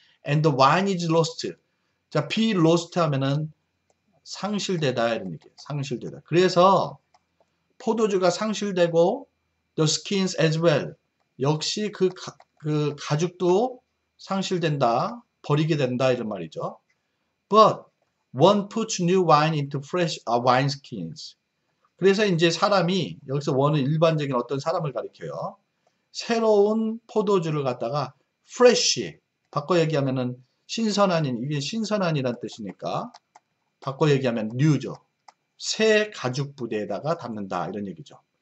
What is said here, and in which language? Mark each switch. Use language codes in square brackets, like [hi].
[en] And the wine is lost. 자, be lost [ko] 하면은 상실되다 이런 얘기예요. 상실되다. 그래서 포도주가 상실되고 [en] the skins as well. [ko] 역시 그 가죽도 상실된다, 버리게 된다 이런 말이죠. [en] But one puts new wine into fresh wine skins. [ko] 그래서 이제 사람이 여기서 one은 일반적인 어떤 사람을 가리켜요. 새로운 포도주를 갖다가 fresh 바꿔 얘기하면은 신선한인 이게 신선한이란 뜻이니까 바꿔 얘기하면 new죠. 새 가죽 부대에다가 담는다 이런 얘기죠.